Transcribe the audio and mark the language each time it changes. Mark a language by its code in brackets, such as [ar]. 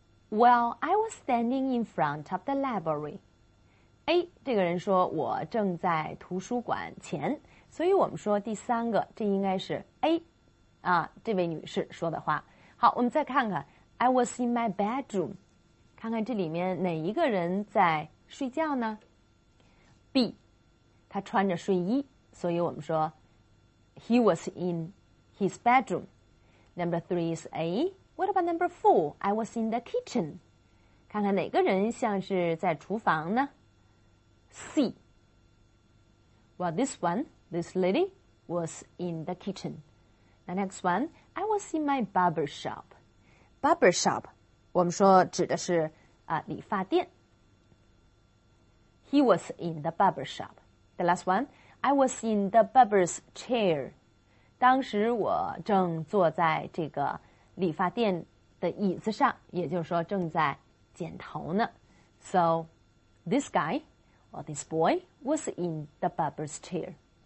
[en] Well， I was standing in front of the library。 [zh] A 这个人说我正在图书馆前，所以我们说第三个，这应该是 A 这位女士说的话。好，我们再看看 I was in my bedroom，看看这里面哪一个人在睡觉呢？ B 他穿着睡衣，所以我们说 He was in his bedroom。 [en] Number 3 is A。 What about number 4? I was in the kitchen，看看哪个人像是在厨房呢？ C. Well, this lady was in the kitchen. The next one, I was in my barber shop. [zh] Barber shop, 我们说指的是理发店。 [en] He was in the barber shop. The last one, I was in the barber's chair. [zh] 当时我正坐在这个理发店的椅子上，也就是说正在剪头呢。 [en] So, this guy... Well, this boy was in the barber's chair.